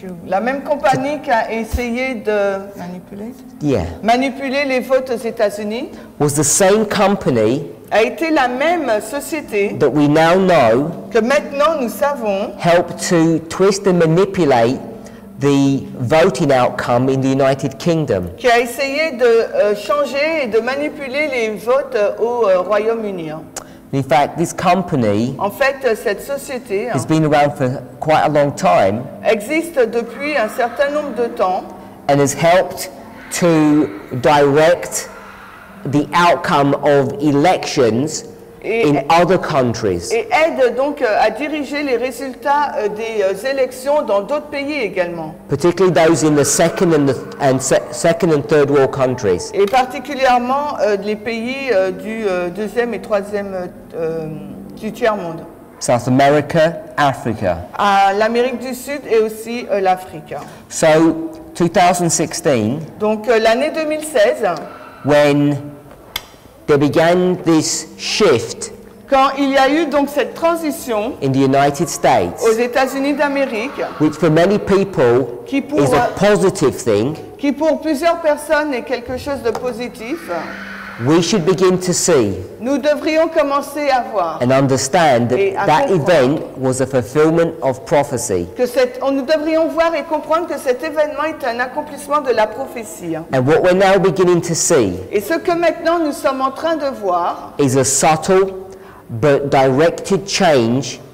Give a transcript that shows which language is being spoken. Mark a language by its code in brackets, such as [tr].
[fr] La même compagnie qui a essayé de manipuler les votes aux États-Unis. [en] Was the same company. [fr] A été la même société [en] that we now know [fr] que maintenant nous savons [en] help to twist and manipulate the voting outcome in the United Kingdom. [fr] Qui a essayé de changer et de manipuler les votes au Royaume-Uni. [en] In fact, this company [fr] en fait, cette société [en] has been around for quite a long time [fr] existe depuis un certain nombre de temps [en] and has helped to direct the outcome of elections in other countries. [fr] Et aide donc à diriger les résultats des élections dans d'autres pays également. [en] Particularly those in the second and third world countries. [fr] Et particulièrement les pays du deuxième et troisième du tiers monde. [en] South America, Africa. [fr] À l'Amérique du Sud et aussi l'Afrique. [en] So 2016. [fr] Donc l'année 2016. [en] When there began this shift. [fr] Quand il y a eu donc cette transition [en] in the United States, [fr] aux États-Unis d'Amérique, [en] which for many people is a positive thing, [fr] qui pour plusieurs personnes est quelque chose de positif, [en] we should begin to see. [fr] Nous devrions commencer à voir [en] and understand that that event was a fulfillment of prophecy. [fr] Nous devrions voir et comprendre que cet événement est un accomplissement de la prophétie. [en] And what we're now beginning to see. [fr] Et ce que maintenant nous sommes en train de voir [en] is a subtle but directed change.